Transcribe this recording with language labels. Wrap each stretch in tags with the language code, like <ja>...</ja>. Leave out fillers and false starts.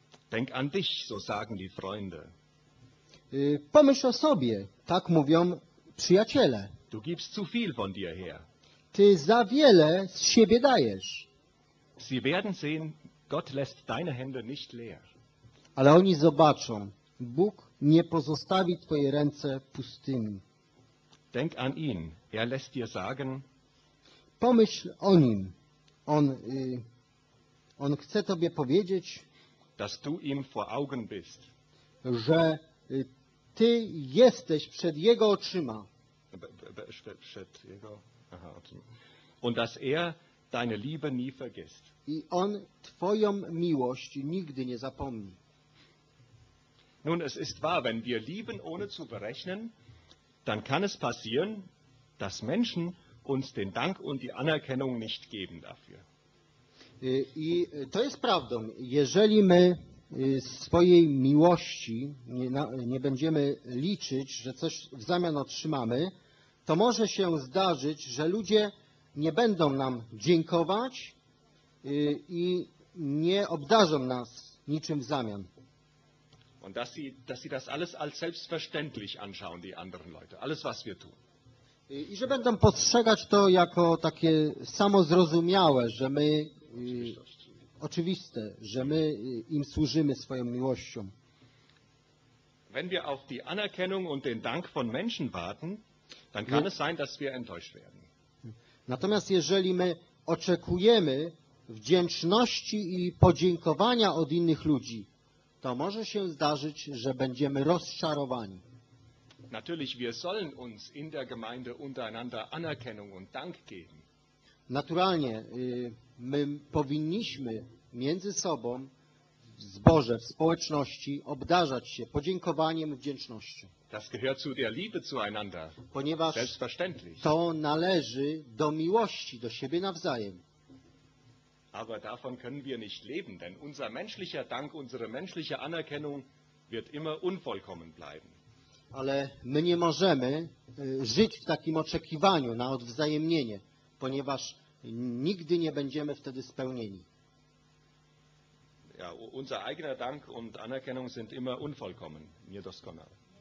<de>Denk an dich, so sagen die Freunde.</de> <pl>Pomyśl o sobie, tak mówią przyjaciele.</pl> <de>Du gibst zu viel von dir her.</de> <pl>Ty za wiele z siebie dajesz.</pl> <de>Sie werden sehen, Gott lässt deine Hände nicht leer.</de> <pl>Ale oni zobaczą, Bóg nie pozostawi twoje ręce pustymi.</pl> <de>Denk an ihn, er lässt dir sagen.</de> <pl>Pomyśl o nim, on chce tobie powiedzieć,</pl> <de>dass du ihm vor Augen bist.</de> <pl>Że ty jesteś przed jego oczyma. Przed jego oczyma.</pl> <de>Und dass er deine Liebe nie vergisst.</de> <pl>I on twoją miłość nigdy nie zapomni.</pl> <de>Nun, es ist wahr, wenn wir lieben ohne zu berechnen, dann kann es passieren, dass Menschen uns den Dank und die Anerkennung nicht geben dafür.</de> <pl>I to jest prawdą. Jeżeli my swojej miłości nie będziemy liczyć, że coś w zamian otrzymamy, to może się zdarzyć, że ludzie nie będą nam dziękować i nie obdarzą nas niczym w zamian.</pl> <de>Und dass sie das alles als selbstverständlich anschauen, die anderen Leute, alles was wir tun.</de> <pl>I że będą postrzegać to jako takie samozrozumiałe, że my oczywiste, że my im służymy swoją miłością.</pl> <de>Wenn wir auf die Anerkennung und den Dank von Menschen warten, dann kann es sein, dass wir enttäuscht werden.</de> <pl>Natomiast jeżeli my oczekujemy wdzięczności i podziękowania od innych ludzi, to może się zdarzyć, że będziemy rozczarowani.</pl> <de>Natürlich, wir sollen uns in der Gemeinde untereinander Anerkennung und Dank geben.</de> <pl>Naturalnie, my powinniśmy między sobą w zborze, w społeczności obdarzać się podziękowaniem i wdzięcznością.</pl> <de>Das gehört zu der Liebe zueinander.</de> <pl>Ponieważ</pl> <de>selbstverständlich.</de> <pl>To należy do miłości, do siebie nawzajem.</pl> <de>Aber davon können wir nicht leben, denn unser menschlicher Dank, unsere menschliche Anerkennung wird immer unvollkommen bleiben.</de> <pl>Ale my nie możemy żyć w takim oczekiwaniu na odwzajemnienie, ponieważ nigdy nie będziemy wtedy spełnieni.</pl> <de>Ja, unser eigener Dank und Anerkennung sind immer unvollkommen,</de> <pl>niedoskonale.</pl>